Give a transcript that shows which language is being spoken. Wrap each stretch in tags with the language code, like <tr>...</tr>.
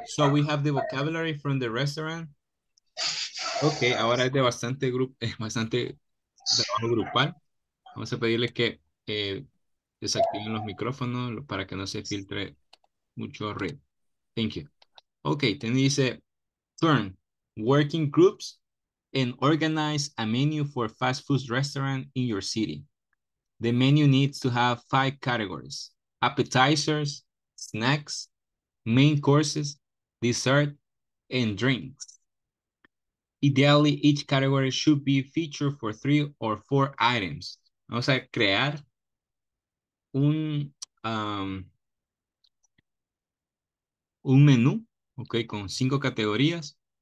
<en>So we have the vocabulary from the restaurant. Okay.</en> <es>Ahora es de bastante grupo, bastante trabajo grupal. Vamos a pedirle que desactiven los micrófonos para que no se filtre mucho ruido.</es> <en>Thank you. Okay. Then dice, turn working groups and organize a menu for a fast food restaurant in your city. The menu needs to have 5 categories: appetizers, snacks, main courses, dessert, and drinks. Ideally, each category should be featured for 3 or 4 items.</en> <es>Vamos a crear un menú, okay, con 5 categorías.</es>